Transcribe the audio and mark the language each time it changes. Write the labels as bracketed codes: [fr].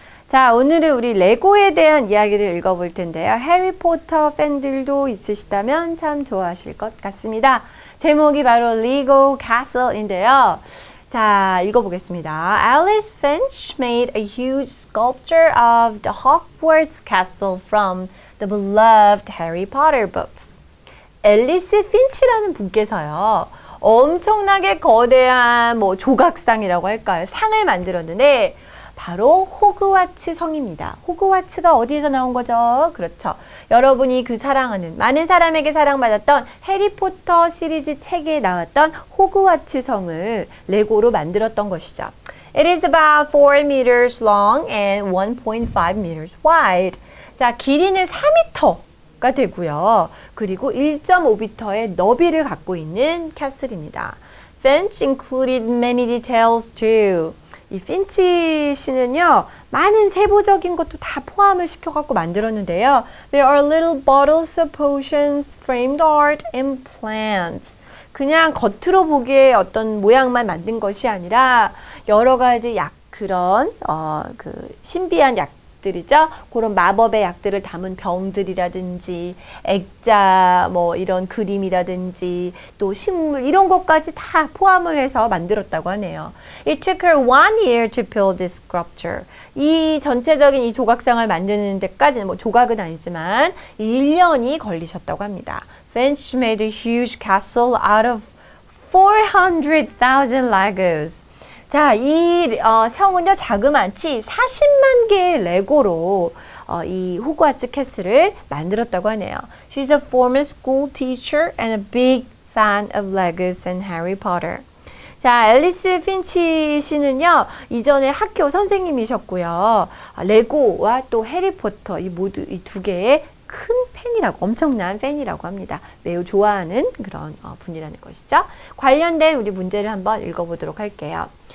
[ko] 자, 오늘은 우리 레고에 대한 이야기를 읽어볼 텐데요. 해리포터 팬들도 있으시다면 참 좋아하실 것 같습니다. 제목이 바로 Lego Castle인데요. 자, 읽어보겠습니다. [en] Alice Finch made a huge sculpture of the Hogwarts Castle from the beloved Harry Potter books. [ko] 앨리스 핀치라는 분께서요. 엄청나게 거대한 뭐 조각상이라고 할까요? 상을 만들었는데 바로 호그와츠 성입니다. 호그와츠가 어디에서 나온 거죠? 그렇죠. 여러분이 그 사랑하는 많은 사람에게 사랑받았던 해리포터 시리즈 책에 나왔던 호그와츠 성을 레고로 만들었던 것이죠. [en] It is about 4 meters long and 1.5 meters wide. [ko] 자, 길이는 4m. 되고요. 그리고 1.5m의 너비를 갖고 있는 캐슬입니다. [en] Finch included many details too. [ko] 이 핀치 씨는요, 많은 세부적인 것도 다 포함을 시켜갖고 만들었는데요. [en] There are little bottles of potions, framed art, and plants. [ko] 그냥 겉으로 보기에 어떤 모양만 만든 것이 아니라 여러 가지 약 그런 그 신비한 약 그런 마법의 약들을 담은 병들이라든지 액자 뭐 이런 그림이라든지 또 식물 이런 것까지 다 포함을 해서 만들었다고 하네요. [en] It took her 1 year to build this sculpture. [ko] 이 전체적인 이 조각상을 만드는 데까지는 뭐 조각은 아니지만 1년이 걸리셨다고 합니다. [en] Finch made a huge castle out of 400,000 Legos. [ko] 자, 이 성은요, 자그마치 40만 개의 레고로 이 호그와츠 캐슬을 만들었다고 하네요. [en] She's a former school teacher and a big fan of Legos and Harry Potter. [ko] 자, 앨리스 핀치 씨는요, 이전에 학교 선생님이셨고요. 레고와 또 해리포터, 이 모두 이두 개의 큰 팬이라고, 엄청난 팬이라고 합니다. 매우 좋아하는 그런 분이라는 것이죠. 관련된 우리 문제를 한번 읽어보도록 할게요.